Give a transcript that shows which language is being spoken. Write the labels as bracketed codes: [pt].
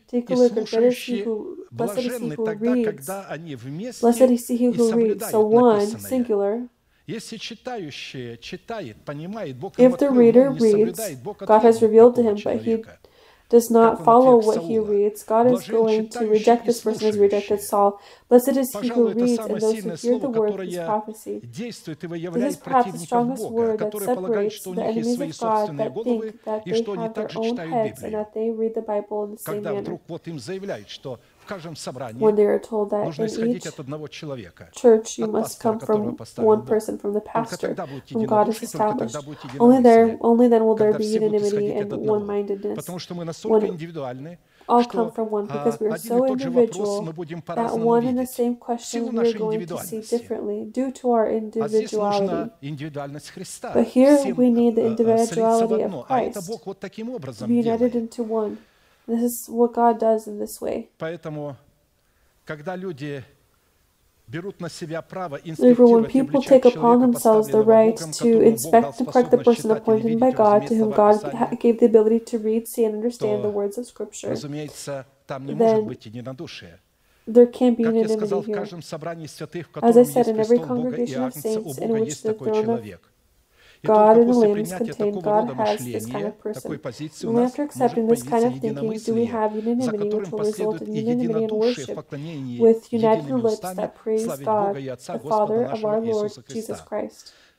[en] Take a look at blessed is he who reads, so one, singular. If the reader reads, God has revealed to him, but he does not follow what he reads, God is going to reject this person as rejected Saul. [ru] Блаженны те, кто слышит и действует и выявляет противника Бога, который полагает, что у них есть свои собственные головы, и что они также читают Библию. [en] When they are told that in each church you must come from one person, from the pastor, whom God has established, only then will there be unanimity and one-mindedness. All come from one, because we are so individual that one and the same question we are going to see differently due to our individuality. But here we need the individuality of Christ to be united into one. This is what God does in this way. [ru] Поэтому, когда люди берут на себя право инспектировать, [en] when people take upon themselves the right to inspect and correct the person appointed by God, to whom God gave the ability to read, see, and understand the words of Scripture, [ru] разумеется, там не может быть единодушие. [en] There can be unanimity here. As I said, in every congregation of saints in which the throne of God and the Lamb is contained, God has this kind of person. Only after accepting this kind of thinking do we have unanimity, which will result in unanimity in worship with united lips that praise God, the Father of our Lord Jesus Christ.